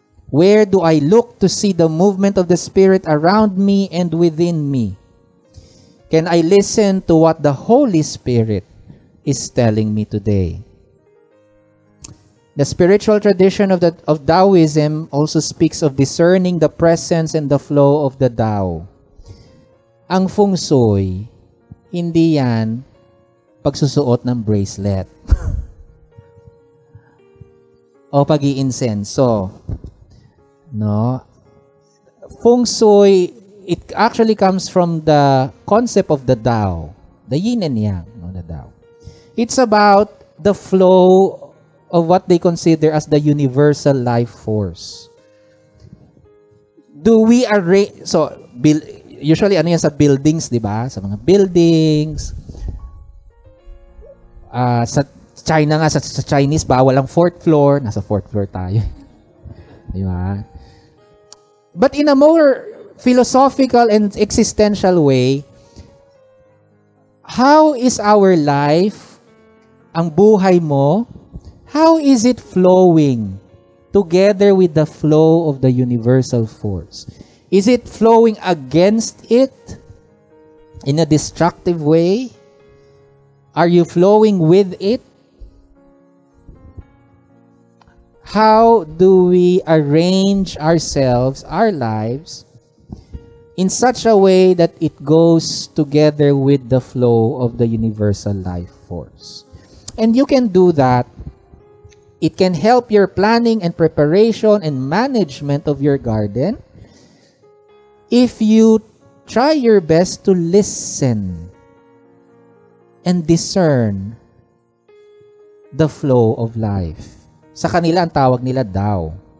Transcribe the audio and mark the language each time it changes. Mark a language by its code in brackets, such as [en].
[en] Where do I look to see the movement of the Spirit around me and within me? Can I listen to what the Holy Spirit is telling me today? The spiritual tradition of Taoism also speaks of discerning the presence and the flow of the Tao. [tl] Ang feng shui, hindi yan pagsusuot ng bracelet o pag-i-insenso. No? [en] Feng shui, it actually comes from the concept of the Tao, the yin and yang, no, the Tao. It's about the flow of what they consider as the universal life force. Do we array, so usually [tl] ano yan sa [en] buildings, [tl] di ba? Sa mga buildings, sa China nga, sa Chinese, bawal ang [en] fourth floor. [tl] Nasa [en] fourth floor [tl] tayo. Di ba? [en] But in a more philosophical and existential way, how is our life, [tl] ang buhay mo, [en] how is it flowing together with the flow of the universal force? Is it flowing against it in a destructive way? Are you flowing with it? How do we arrange ourselves, our lives, in such a way that it goes together with the flow of the universal life force? And you can do that. It can help your planning and preparation and management of your garden if you try your best to listen and discern the flow of life. [tl] Sa kanila, ang tawag nila Tao.